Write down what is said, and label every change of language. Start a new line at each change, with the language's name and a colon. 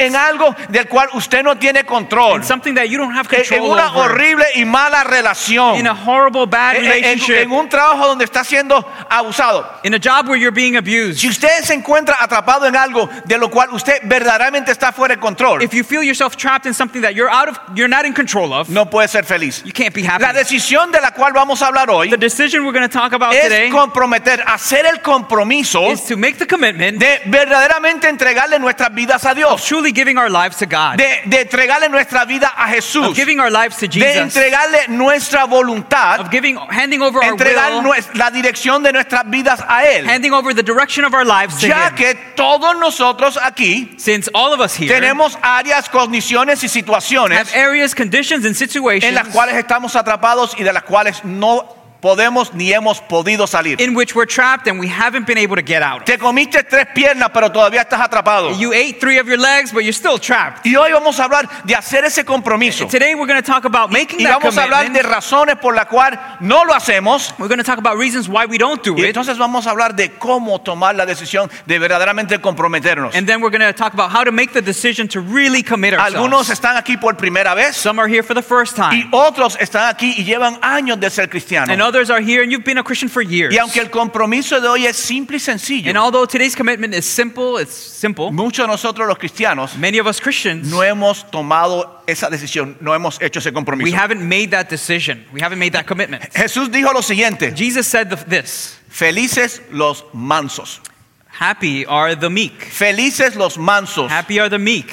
Spanish: en algo del cual usted no tiene control,
English: in something that you don't have control
Spanish: en una
English: over,
Spanish: horrible y mala relación,
English: in a horrible bad relationship,
Spanish: en un trabajo donde está siendo abusado,
English: in a job where you're being abused,
Spanish: si usted se encuentra atrapado en algo de lo cual usted verdaderamente está fuera de control,
English: if you feel yourself trapped in something that you're out of, you're not in control of,
Spanish: no puede ser feliz.
English: You can't be happy.
Spanish: La decisión de la cual vamos a hablar hoy,
English: the decision we're going to talk about
Spanish: es
English: today,
Spanish: es comprometer, hacer el compromiso,
English: is to make the commitment,
Spanish: de verdaderamente entregarle nuestras vidas a Dios,
English: of truly giving our lives to God,
Spanish: de entregarle nuestra vida a Jesús,
English: of giving our lives to Jesus,
Spanish: de entregarle nuestra voluntad,
English: of giving, handing over our
Spanish: entregar
English: will,
Spanish: entregar la dirección de nuestras vidas a Él,
English: handing over the direction of our lives to
Spanish: ya
English: Him,
Spanish: ya que todos nosotros aquí,
English: since all of us here,
Spanish: tenemos áreas, condiciones y situaciones,
English: have areas, conditions and situations,
Spanish: en las cuales estamos atrapados y de las cuales no podemos ni hemos podido salir.
English: In which we're trapped and we haven't been able to get out.
Spanish: Te comiste tres piernas, pero todavía estás atrapado.
English: You ate three of your legs, but you're still trapped.
Spanish: Y hoy vamos a hablar de hacer ese compromiso.
English: Today we're going to talk about making that
Spanish: Y vamos a hablar de razones por las cuales no lo hacemos.
English: We're going to talk about reasons why we don't do it.
Spanish: Y entonces vamos a hablar de cómo tomar la decisión de verdaderamente comprometernos.
English: And then we're going to talk about how to make the decision to really commit ourselves.
Spanish: Algunos están aquí por primera vez.
English: Some are here for the first time.
Spanish: Y otros están aquí y llevan años de ser cristiano.
English: And others are here and you've been a Christian for years.
Spanish: Y aunque el compromiso de hoy es simple y sencillo,
English: and although today's commitment is simple, it's simple.
Spanish: Muchos de nosotros los cristianos,
English: many of us Christians,
Spanish: no hemos tomado esa decisión, no hemos hecho ese compromiso.
English: We haven't made that decision. We haven't made that commitment.
Spanish: Jesús dijo lo siguiente.
English: Jesus said this.
Spanish: Felices los mansos.
English: Happy are the meek.
Spanish: Felices los mansos.
English: Happy are the meek.